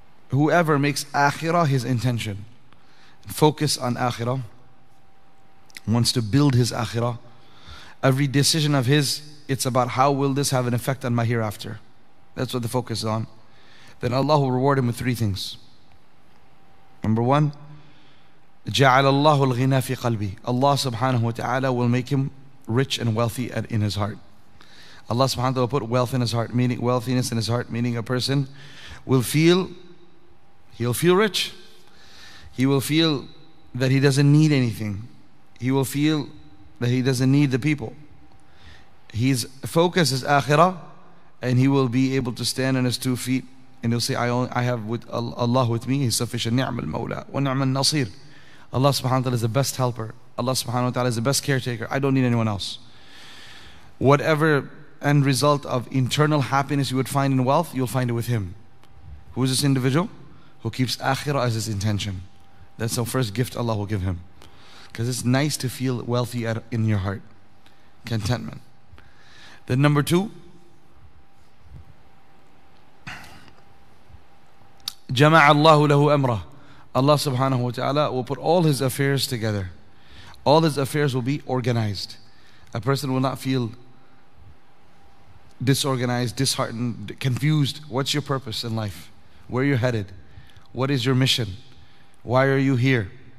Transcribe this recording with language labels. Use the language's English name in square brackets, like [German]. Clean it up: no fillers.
[English] Whoever makes akhirah his intention, focus on akhirah, wants to build his akhirah, every decision of his, it's about how will this have an effect on my hereafter. That's what the focus is on. Then Allah will reward him with three things. Number one, [Arabic] جَعَلَ اللَّهُ الْغِنَى فِي قَلْبِي. [English] Allah subhanahu wa ta'ala will make him rich and wealthy in his heart. Allah subhanahu wa ta'ala will put wealth in his heart, meaning wealthiness in his heart, meaning a person will feel, he'll feel rich. He will feel that he doesn't need anything. He will feel that he doesn't need the people. His focus is akhirah, and he will be able to stand on his two feet. And he'll say, I have with Allah with me, he's sufficient. [Arabic] Ni'am al-Mawla wa ni'am al-Nasir. [English] Allah subhanahu wa ta'ala is the best helper. Allah subhanahu wa ta'ala is the best caretaker. I don't need anyone else. Whatever end result of internal happiness you would find in wealth, you'll find it with him. Who is this individual? Who keeps akhirah as his intention. That's the first gift Allah will give him. Because it's nice to feel wealthy in your heart. Contentment. Then number two, [Arabic] جَمَعَ اللَّهُ لَهُ أَمْرَهُ. [English] Allah subhanahu wa ta'ala will put all his affairs together. All his affairs will be organized. A person will not feel disorganized, disheartened, confused. What's your purpose in life? Where are you headed? What is your mission? Why are you here?